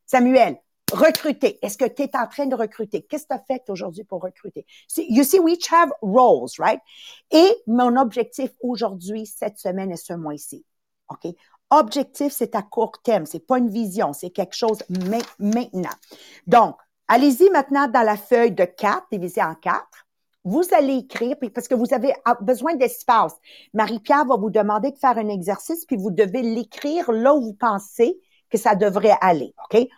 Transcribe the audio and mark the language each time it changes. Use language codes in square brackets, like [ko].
[fr] Samuel, recruter. Est-ce que t'es en train de recruter? Qu'est-ce que t'as fait aujourd'hui pour recruter? [en] You see, we each have roles, right? [fr] Et mon objectif aujourd'hui, cette semaine et ce mois-ci. OK? Objectif, c'est à court terme. C'est pas une vision. C'est quelque chose maintenant. Donc, allez-y maintenant dans la feuille de 4, divisée en 4. Vous allez écrire parce que vous avez besoin d'espace. Marie-Pierre va vous demander de faire un exercice puis vous devez l'écrire là où vous pensez que ça devrait aller. OK?